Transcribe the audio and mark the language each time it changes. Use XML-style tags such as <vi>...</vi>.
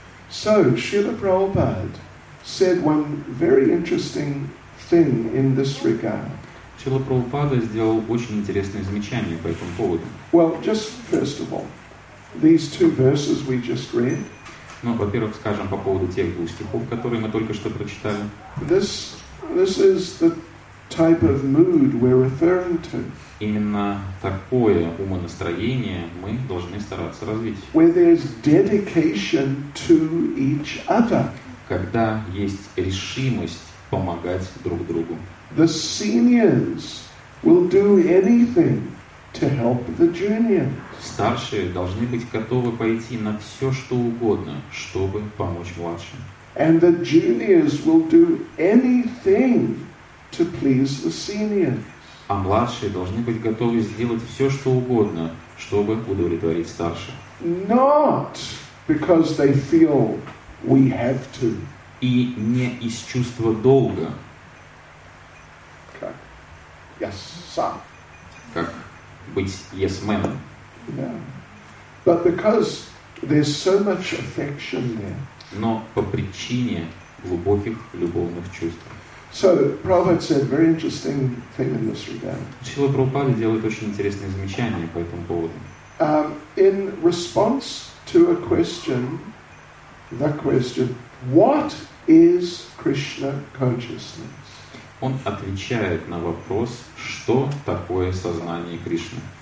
<en>So, Srila Prabhupada said one very interesting thing in this regard.</en> <ru>Srila Prabhupada сделал очень интересное замечание по этому поводу.</ru> <en>Well, just first of all, these two verses we just read.</en> <ru>Ну, во-первых, скажем по поводу тех двух стихов, которые мы только что прочитали.</ru> <en>This is the type of mood we're referring to.</en> <ru>Именно такое умонастроение мы должны стараться развить.</ru> <en>Where there's dedication to each other.</en> <ru>Когда есть решимость помогать друг другу.</ru> <en>The seniors will do anything to help the juniors.</en> <ru>Старшие должны быть готовы пойти на все, что угодно, чтобы помочь младшим.</ru> <en>And the juniors will do anything to please the seniors.</en> <ru>А младшие должны быть готовы сделать все, что угодно, чтобы удовлетворить старших.</ru> <en>Not because they feel we have to.</en> <ru>И не из чувства долга. Как?</ru> <en>Yes, sir.</en> <ru>Как быть yes-man'ом.</ru> <en>Yeah. But because there's so much affection there.</en> <ru>Но по причине глубоких любовных чувств.</ru> <en>So Prabhupada said very interesting thing in this regard.</en> <ru>Шрила Прабхупада делает очень интересные замечания по этому поводу.</ru> <en>In response to a question, the question, what is Krishna consciousness?</en> <ru>Он отвечает на вопрос, что такое сознание Кришны.</ru>